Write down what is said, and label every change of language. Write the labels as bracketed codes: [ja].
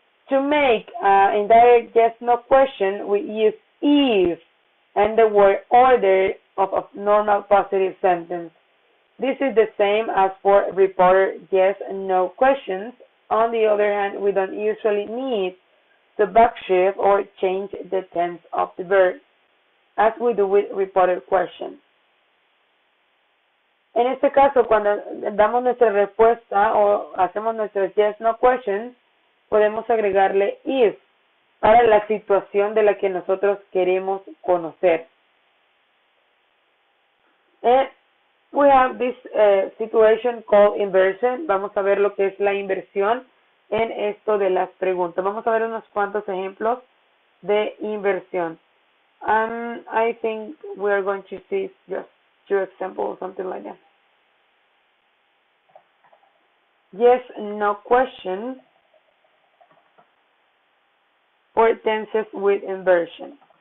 [en] To make indirect yes-no question, we use if and the word order of a normal positive sentence. This is the same as for reporter yes-no questions. On the other hand, we don't usually need to backshift or change the tense of the verb as we do with reporter questions. [es] En este caso, cuando damos nuestra respuesta o hacemos nuestras yes-no questions, podemos agregarle if para la situación de la que nosotros queremos conocer. [en] And we have this situation called inversion. [es] Vamos a ver lo que es la inversión en esto de las preguntas. Vamos a ver unos cuantos ejemplos de inversión. [en] I think we are going to see just two examples or something like that. Yes, no question. Or tenses with inversion.